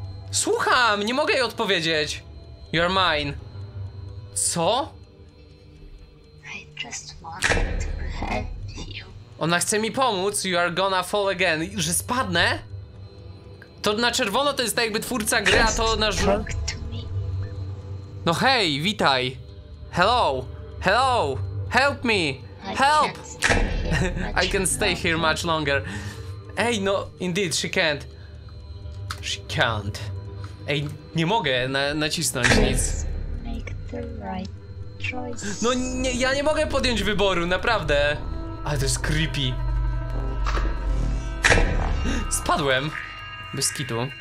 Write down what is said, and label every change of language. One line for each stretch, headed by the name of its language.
Polish: Słucham, nie mogę jej odpowiedzieć.
English: You're mine. Co? I just wanted to help you.
Polish: Ona chce mi pomóc.
English: You are gonna fall again.
Polish: Że spadnę? To na czerwono to jest tak jakby twórca gry, a to na żółto. No hej, witaj.
English: Hello. Hello. Help me. Help. I can stay here much longer. Ej, no, indeed, she can't. She can't.
Polish: Ej, nie mogę nacisnąć nic.
English: Make the right choice.
Polish: No nie, ja nie mogę podjąć wyboru, naprawdę. Ale to jest creepy. Spadłem. Bez kitu.